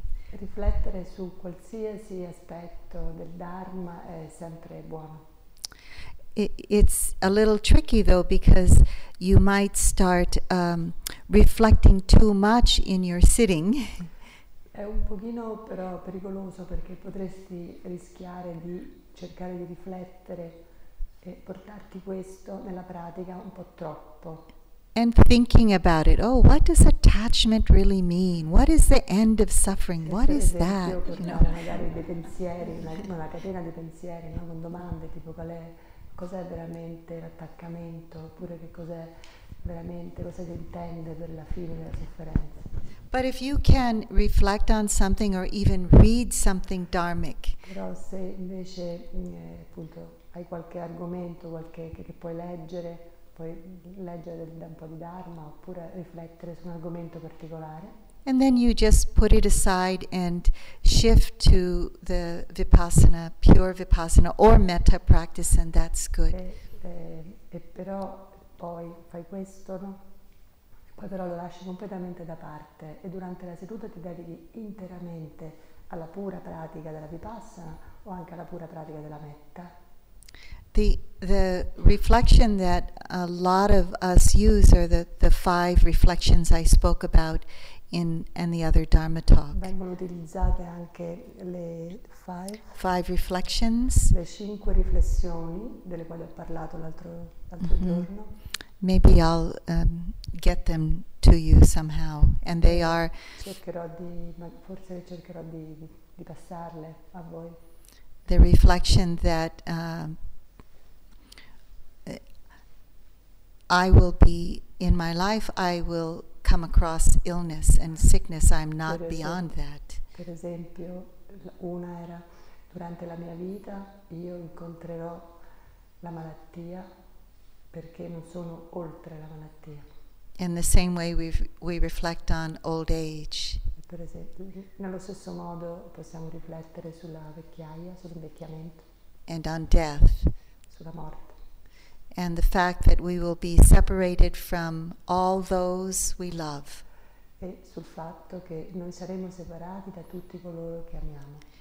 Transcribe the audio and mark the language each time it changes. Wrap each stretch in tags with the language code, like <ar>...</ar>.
<it>Riflettere su qualsiasi aspetto del Dharma è sempre buono.</it> <en>It's a little tricky though, because you might start reflecting too much in your sitting.</en> <it>È un pochino però pericoloso, perché potresti rischiare di cercare di riflettere e portarti questo nella pratica un po' troppo.</it> <en>And thinking about it, oh, what does attachment really mean? What is the end of suffering? What is that?</en> <it>Magari dei pensieri, una catena di pensieri, no? Con domande tipo qual è, cos'è veramente l'attaccamento, oppure che cos'è veramente, cosa si intende per la fine della sofferenza.</it> <en>But if you can reflect on something or even read something dharmic.</en> <it>Però se invece appunto hai qualche argomento, qualche che puoi leggere. Puoi leggere da un po' di Dharma oppure riflettere su un argomento particolare.</it> <en>And then you just put it aside and shift to the Vipassana, pure Vipassana or Metta practice, and that's good.</en> <it>E però poi fai questo, no? Poi però lo lasci completamente da parte e durante la seduta ti dedichi interamente alla pura pratica della Vipassana o anche alla pura pratica della Metta.</it> <en>The reflection that a lot of us use are the five reflections I spoke about in the other Dharma talk.</en> <it>Vengono utilizzate anche le</it> <en>five reflections.</en> <it>Le cinque riflessioni delle quali ho parlato l'altro mm-hmm. giorno.</it> <en>Maybe I'll get them to you somehow, and they are.</en> <it>Cercherò di passarle a voi.</it> <en>The reflection that. I will be in my life, I will come across illness and sickness, I'm not beyond that.</en> <it>Per esempio, una era, durante la mia vita io incontrerò la malattia perché non sono oltre la malattia.</it> <en>In the same way we reflect on old age.</en> <it>Per esempio, nello stesso modo possiamo riflettere sulla vecchiaia, sull'invecchiamento.</it> <en>And on death.</en> <it>Sulla morte.</it> <en>And the fact that we will be separated from all those we love.</en> <it>E sul fatto che noi saremo separati da tutti coloro che amiamo.</it>